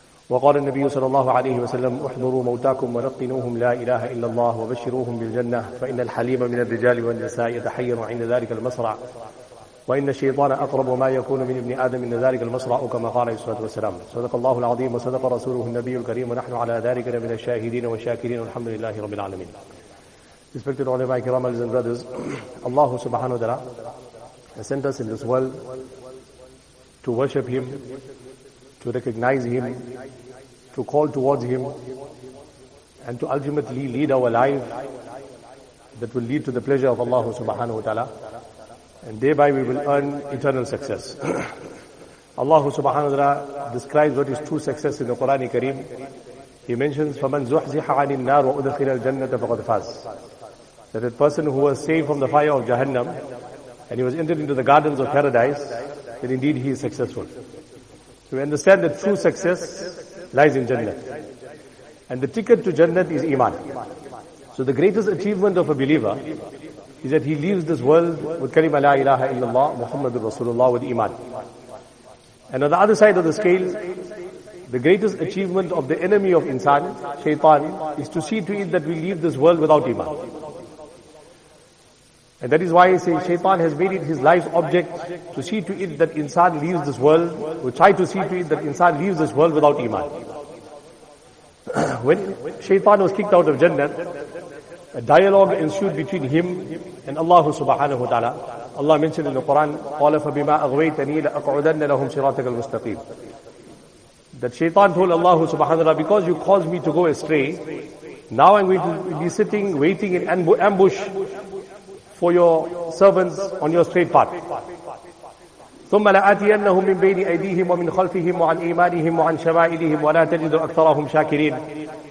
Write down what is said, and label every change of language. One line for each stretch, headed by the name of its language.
Arabic: وقال النبي صلى الله عليه وسلم: احضروا موتاكم ولقنوهم لا إله إلا الله وبشروهم بالجنة، فإن الحليم من الرجال والنساء يتحير عند ذلك المصرع، وإن الشيطان أقرب ما يكون من ابن آدم من ذلك المصرع، كما قال عليه الصلاة والسلام. صدق الله العظيم وصدق رسوله النبي الكريم، ونحن على ذلك من الشاهدين والشاكرين، والحمد لله رب العالمين.
English: Respected
Arabic: علماء كرام،
English: ladies and brothers, Allah subhanahu wa ta'ala has sent us in this world to worship Him, to recognize Him, to call towards Him, and to ultimately lead our life that will lead to the pleasure of Allah subhanahu wa ta'ala. And thereby we will earn eternal success. Allah subhanahu wa ta'ala describes what is true success in the Quran Kareem. He mentions,
Arabic: فَمَنْ زُحْزِحَ عَنِ النَّارُ وَأُدْخِلَ الْجَنَّةَ فَقَدْ فَازَ.
English: That a person who was saved from the fire of Jahannam and he was entered into the gardens of paradise, then indeed he is successful. So we understand that true success lies in Jannah. And the ticket to Jannah is Iman. So the greatest achievement of a believer is that he leaves this world with kalima la ilaha illallah Muhammadur Rasulullah with iman. And on the other side of the scale, the greatest achievement of the enemy of insan, shaitan, is to see to it that we leave this world without iman. And that is why I say shaitan has made it his life's object to see to it that insan leaves this world, or try to see to it that insan leaves this world without iman. When shaitan was kicked out of Jannah, a dialogue ensued between him and Allah subhanahu wa ta'ala. Allah mentioned in the Quran,
Arabic: قَالَ فَبِمَا أَغْوَيْتَنِي لَأَقْعُدَنَّ لَهُمْ صِرَاطَكَ الْمُسْتَقِيمِ.
English: That shaitan told Allah subhanahu wa ta'ala, because you caused me to go astray, now I'm going to be sitting, waiting in ambush for your servants on your straight path.
Arabic: ثُمَّ لَآتِيَنَّهُمْ مِنْ بَيْنِ أَيْدِيهِمْ وَمِنْ خَلْفِهِمْ وَعَنْ إِيمَانِهِمْ وَعَنْ شَمَائِلِهِمْ وَلَا تَجِدُ أَكْثَرَهُمْ شَاكِرِينَ.